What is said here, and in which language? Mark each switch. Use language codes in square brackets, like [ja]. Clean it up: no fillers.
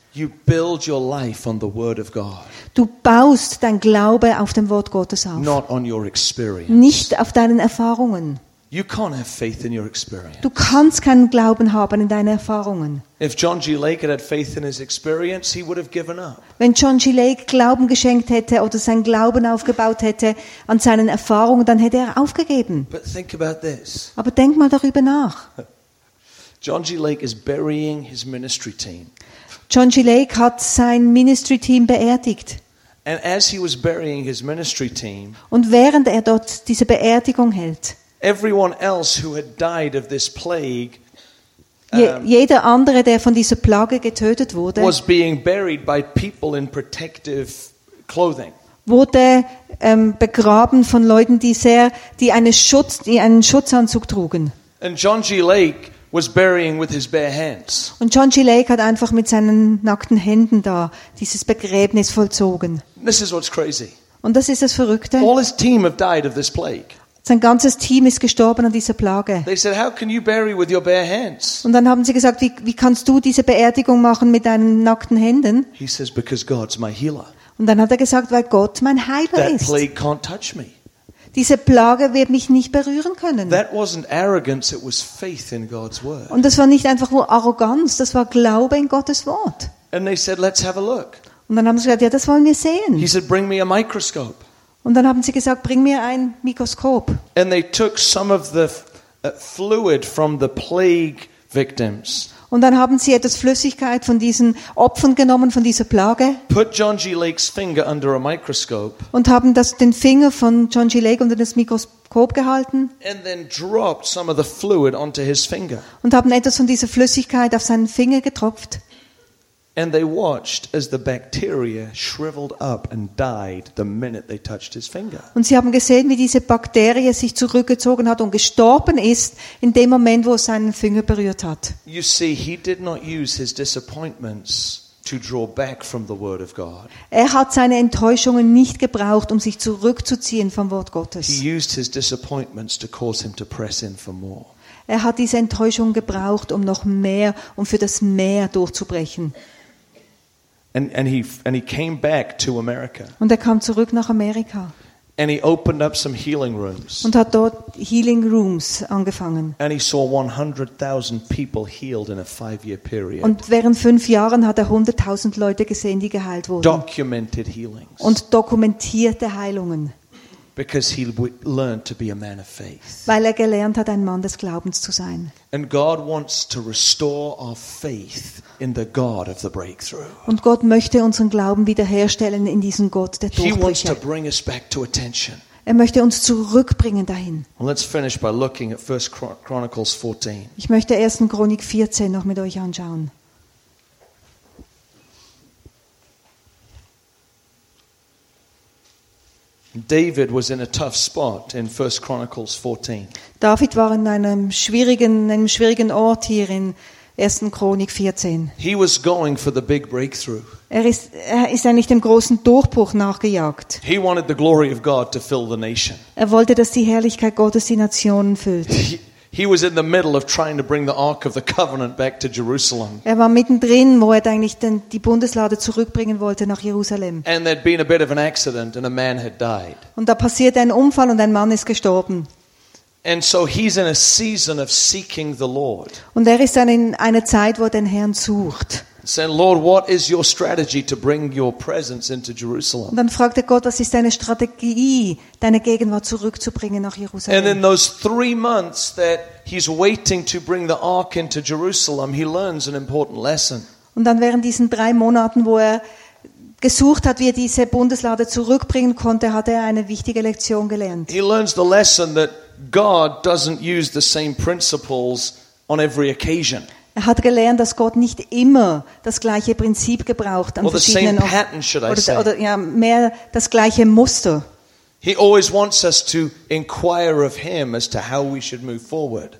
[en] You build your life on the word of God. [de] Du baust dein Glaube auf dem Wort Gottes auf. [en] Not on your experience. [de] Nicht auf deinen Erfahrungen. [en] You can't have faith in your experience. [de] Du kannst keinen Glauben haben in deinen Erfahrungen. [en] If John G. Lake had faith in his experience, he would have given up. [de] Wenn John G. Lake Glauben geschenkt hätte oder seinen Glauben aufgebaut hätte an seinen Erfahrungen, dann hätte er aufgegeben. [en] But think about this. [de] Aber denk mal darüber nach. [en] John G. Lake is burying his ministry team. [de] John G. Lake hat sein Ministry Team beerdigt. [en] And as he was burying his ministry team, [de] und während er dort diese Beerdigung hält, [en] everyone else who had died of this plague, [de] jeder andere, der von dieser Plage getötet wurde, [en] was being buried by people in protective clothing. [de] Wurde begraben von Leuten, die einen Schutzanzug trugen. [en] And John G. Lake was burying with his bare hands. [de] Und John G. Lake hat einfach mit seinen nackten Händen da dieses Begräbnis vollzogen. [en] This is what's crazy. [de] Und das ist das Verrückte. [en] All his team have died of this plague. [de] Sein ganzes Team ist gestorben an dieser Plage. [en] They said, how can you bury with your bare hands? [de] Und dann haben sie gesagt, wie kannst du diese Beerdigung machen mit deinen nackten Händen? [en] He says, because God's my healer. [de] Und dann hat er gesagt, weil Gott mein Heiler [en] That [de] ist. [en] That plague can't touch me. [de] Diese Plage wird mich nicht berühren können. [en] That wasn't arrogance, it was faith in God's word. [de] Und das war nicht einfach nur Arroganz, das war Glaube in Gottes Wort. [en] And they said, let's have a look. [de] Und dann haben sie gesagt, ja, das wollen wir sehen. [en] He said, bring me a microscope. [de] Und dann haben sie gesagt, bring mir ein Mikroskop. [en] And they took some of the fluid from the plague victims. [de] Und dann haben sie etwas Flüssigkeit von diesen Opfern genommen, von dieser Plage. [en] Put John G. Lake's finger under a microscope. [de] Und haben den Finger von John G. Lake unter das Mikroskop gehalten. [en] And then dropped some of the fluid onto his finger. [de] Und haben etwas von dieser Flüssigkeit auf seinen Finger getropft. [en] And they watched as the bacteria shriveled up and died the minute they touched his finger. [de] Und sie haben gesehen, wie diese Bakterie sich zurückgezogen hat und gestorben ist in dem Moment, wo er seinen Finger berührt hat. [en] You see, he did not use his disappointments to draw back from the word of God. [de] Er hat seine Enttäuschungen nicht gebraucht, um sich zurückzuziehen vom Wort Gottes. [en] He used his disappointments to cause him to press in for more. [de] Er hat diese Enttäuschung gebraucht, um noch mehr, um für das Meer durchzubrechen. [en] And he came back to America. [de] Und er kam zurück nach Amerika. [en] And he opened up some healing rooms. [de] Und hat dort Healing Rooms angefangen. [en] And he saw 100,000 people healed in a 5-year period. [de] Und während 5 Jahren hat er 100,000 Leute gesehen, die geheilt wurden. [en] Documented healings. [de] Und dokumentierte Heilungen. [en] Because he learned to be a man of faith. [de] Weil er gelernt hat, ein Mann des Glaubens zu sein. [en] And God wants to restore our faith in the God of the breakthrough. [de] Und Gott möchte unseren Glauben wiederherstellen in diesen Gott der Durchbrüche. [en] He wants to bring us back to attention. [de] Er möchte uns zurückbringen dahin. [en] And let's finish by looking at 1 Chronicles 14. [de] Ich möchte 1. Chronik 14 noch mit euch anschauen. [en] David was in a tough spot in 1 Chronicles 14. [de] David war in einem schwierigen Ort hier in 1. Chronik 14. [en] He was going for the big breakthrough. [de] Er ist eigentlich dem großen Durchbruch nachgejagt. [en] He wanted the glory of God to fill the nation. [de] Er wollte, dass die Herrlichkeit Gottes die Nationen füllt. [en] He was in the middle of trying to bring the Ark of the Covenant back to Jerusalem. [de] Er war mittendrin, wo er eigentlich die Bundeslade zurückbringen wollte nach Jerusalem. [en] And there'd been a bit of an accident and a man had died. [de] Und da passierte ein Unfall und ein Mann ist gestorben. [en] And so he's in a season of seeking the Lord. [de] Und er ist dann in einer Zeit, wo er den Herrn sucht. [en] Saying, Lord, what is your strategy to bring your presence into Jerusalem? [de] Und dann fragte Gott, was ist deine Strategie, deine Gegenwart zurückzubringen nach Jerusalem? [en] And in those 3 months that he's waiting to bring the ark into Jerusalem, he learns an important lesson. [de] Und dann während diesen 3 Monaten, wo er gesucht hat, wie er diese Bundeslade zurückbringen konnte, hat er eine wichtige Lektion gelernt. [en] He learns the lesson that God doesn't use the same principles on every occasion. [de] Er hat gelernt, dass Gott nicht immer das gleiche Prinzip gebraucht an verschiedenen Orten oder mehr das gleiche Muster. [en] He always wants us to inquire of him as to how we should move forward.